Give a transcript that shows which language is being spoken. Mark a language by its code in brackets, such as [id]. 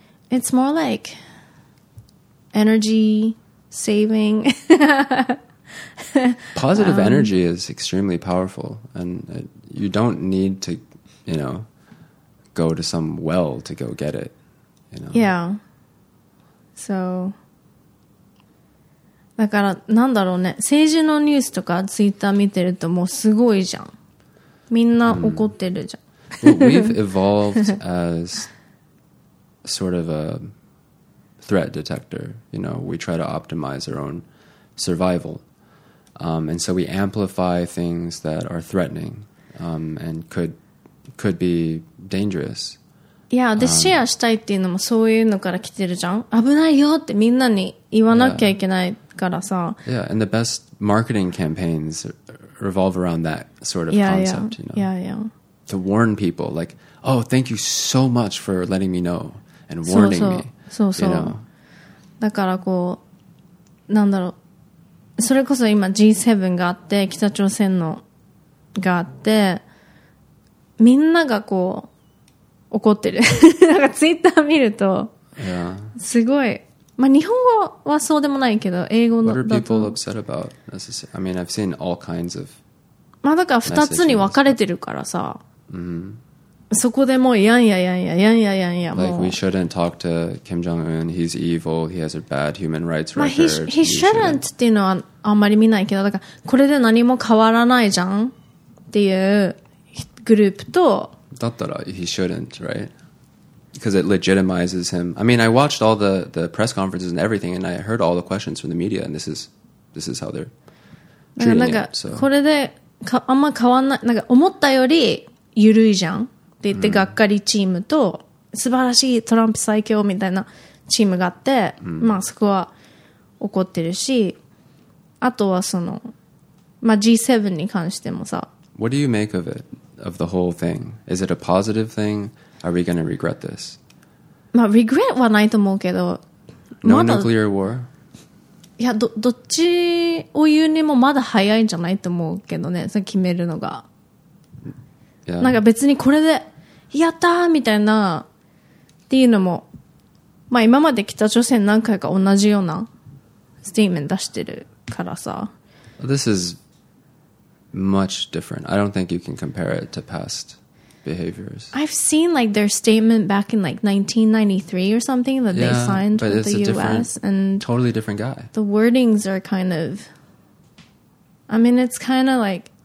[en] It's more like energy saving. Positive energy is extremely powerful, and you don't need to, you know, go to some well to go get it, you know. Yeah. So, [ja] だからなんだろうね、政治のニュースとかツイッター見てるともうすごいじゃん。みんな怒ってるじゃん。 [en] Well, we've evolved as sort of a threat detector. You know, we try to optimize our own survival. And so we amplify things that are threatening and could be dangerous. [ja] Yeah, でシェアしたいっていうのもそういうのから来てるじゃん。危ないよってみんなに言わなきゃいけないからさ。 [en] Yeah, and the best marketing campaigns revolve around that sort of concept, you know. Yeah, yeah. To warn people, like, oh, thank you so much for letting me know and warning [ja] そうそう [en] me. [ja] そうそう。 [en] You know? [ja] だからこう、なんだろう。それこそ今 G7 があって、北朝鮮のがあって、みんながこう、怒ってる。なんかツイッター見ると、 [en] yeah. [ja] すごい。まあ日本語はそうでもないけど、英語のだと。 [en] What are people upset about? I mean, I've seen all kinds of... [ja] まあだから二つに分かれてるからさ。 [en] Mm-hmm. [ja] そこでもうやんややんややんややんや。 [en] Like we shouldn't talk to Kim Jong-un. He's evil. He has a bad human rights record. [ja] まあ、 [en] he shouldn't [ja] っていうのはあんまり見ないけど、だからこれで何も変わらないじゃんっていうグループと。だったら [en] he shouldn't, right? Because it legitimizes him. I mean, I watched all the press conferences and everything, and I heard all the questions from the media, and this is how they're treating him. [ja] なんか、これでかあんま変わんない。なんか思ったより緩いじゃん。で言ってがっかりチームと素晴らしいトランプ最強みたいなチームがあって、うん、まあそこは怒ってるし、あとはそのまあ G7 に関してもさ、 [en] What do you make of it? Of the whole thing? Is it a positive thing? Are we going to regret this? [ja] まあ regret はないと思うけど、 [en] No nuclear war? [ja] いや、どっちを言うにもまだ早いんじゃないと思うけどね、それ決めるのが。 [en] Yeah. [ja] なんか別にこれでやったーみたいなっていうのも、まあ今まで北朝鮮何回か同じようなステイメント出してるからさ。 [en] This is much different. I don't think you can compare it to past behaviors. I've seen like their statement back in like 1993 or something that yeah, they signed with the US. And totally different guy. The wordings are kind of, I mean, it's kind of like,